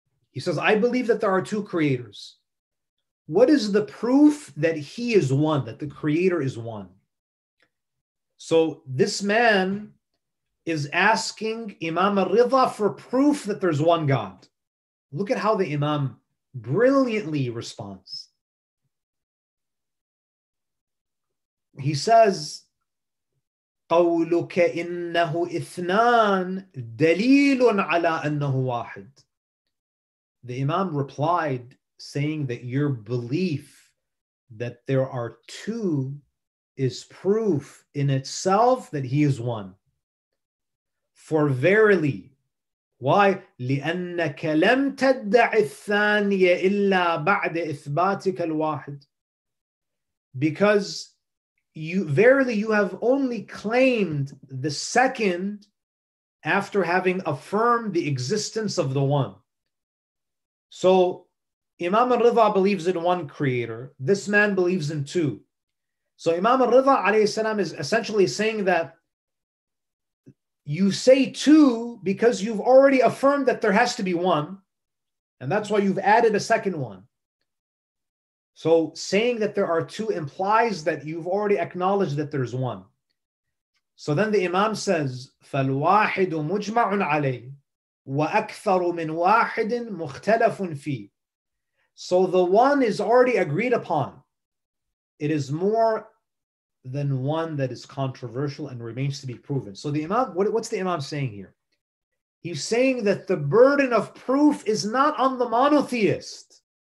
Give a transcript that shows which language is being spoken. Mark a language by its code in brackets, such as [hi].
[en] He says, I believe that there are two creators. What is the proof that he is one, that the creator is one? So this man is asking Imam al-Ridha for proof that there's one God. Look at how the Imam brilliantly responds. He says, [ar] قولك إنه إثنان دليل على أنه واحد. [en] The Imam replied, saying that your belief that there are two is proof in itself that he is one. For verily, why? [ar] لأنك لم تدع الثانية إلا بعد إثباتك الواحد. [en] Because you have only claimed the second after having affirmed the existence of the one. So Imam al-Ridha believes in one creator. This man believes in two. So Imam al-Ridha alayhi salam is essentially saying that you say two because you've already affirmed that there has to be one. And that's why you've added a second one. So saying that there are two implies that you've already acknowledged that there's one. So then the Imam says, [ar] فَالْوَاحِدُ مُجْمَعٌ عَلَيْهِ وَأَكْثَرُ مِنْ وَاحِدٍ مُخْتَلَفٌ فِيهِ. [en] So the one is already agreed upon. It is more than one that is controversial and remains to be proven. So the Imam, what's the Imam saying here? He's saying that the burden of proof is not on the monotheist.